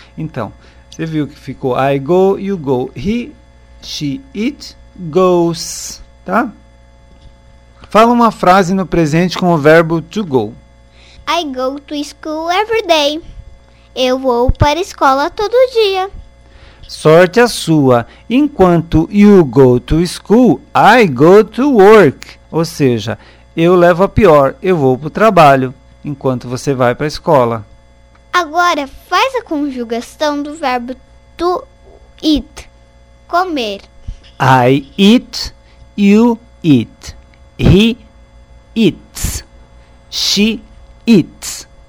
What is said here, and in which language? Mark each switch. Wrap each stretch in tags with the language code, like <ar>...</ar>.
<pt>Então, você viu que ficou</pt> <en>I go, you go. He, she, it, goes.</en> <pt>Tá? Fala uma frase no presente com o verbo to go.</pt> <en>I go to school every day.</en> <pt>Eu vou para a escola todo dia. Sorte a sua. Enquanto</pt> <en>you go to school, I go to work.</en> <pt>Ou seja, eu levo a pior, eu vou para o trabalho, enquanto você vai para a escola. Agora, faz a conjugação do verbo to eat, comer.</pt> <en>I eat, you eat. He eats, she eats.</en>